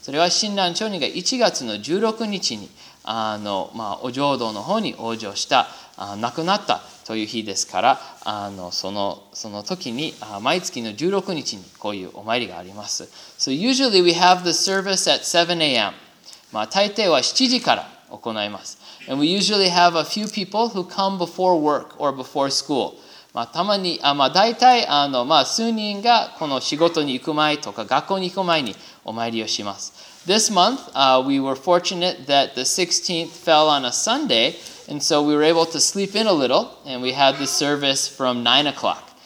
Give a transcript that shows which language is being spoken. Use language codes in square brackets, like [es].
[ja] それは Shinran Shonin が1月の16日にお浄土の方に往生した亡くなったという日ですからその時に毎月の16日にこういうお参りがあります。 [en] So usually we have the service at 7 a.m. [ja] 大抵は7時から行います。 [en] And we usually have a few people who come before work or before school. [ja] たまに数人がこの仕事に行く前とか学校に行く前にお参りをします。 [en] This month, we were fortunate that the 16th fell on a Sunday, and so we were able to sleep in a little, and we had the service from 9 o'clock.